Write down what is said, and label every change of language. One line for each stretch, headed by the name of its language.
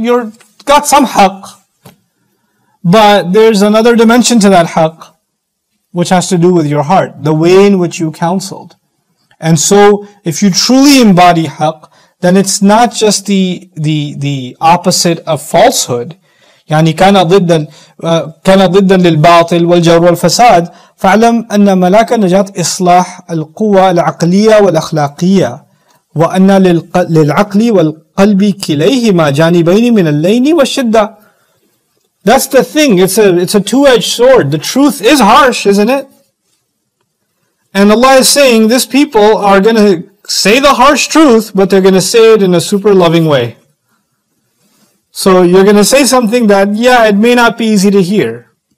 English: You've got some haq. But there's another dimension to that haq, which has to do with your heart, the way in which you counseled. And so, if you truly embody haq, then it's not just the opposite of falsehood.
Arabic: يعني كان ضدا للباطل والجور والفساد فعلم أن ملاك النجاة إصلاح القوى العقلية والأخلاقية وأن للعقل والقلب كليهما جانبين من اللين والشدة.
English: That's the thing. It's a two-edged sword. The truth is harsh, isn't it? And Allah is saying, these people are going to say the harsh truth, but they're going to say it in a super loving way. So you're going to say something that, yeah, it may not be easy to hear.